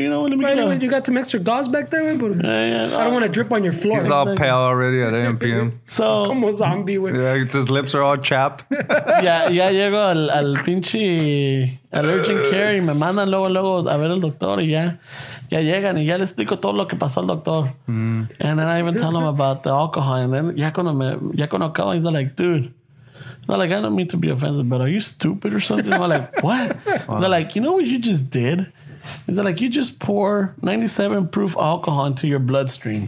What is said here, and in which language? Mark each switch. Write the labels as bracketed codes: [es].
[en] get it. You got some extra gauze back there, man? I don't want to drip on your floor. He's all pale already at AMPM. So, I'm a zombie, man. Yeah, his lips are all chapped. [es] Ya llego al pinche allergic care y me mandan luego a ver al doctor y ya llegan y ya le explico todo lo que pasó al doctor. [en] And then I even tell him about the alcohol. And then [es] ya cuando acabo, [en] he's like, dude. Not like, I don't mean to be offensive, but are you stupid or something? I'm like, what? Wow. They're like, you know what you just did? He's like, you just pour 97 proof alcohol into your bloodstream.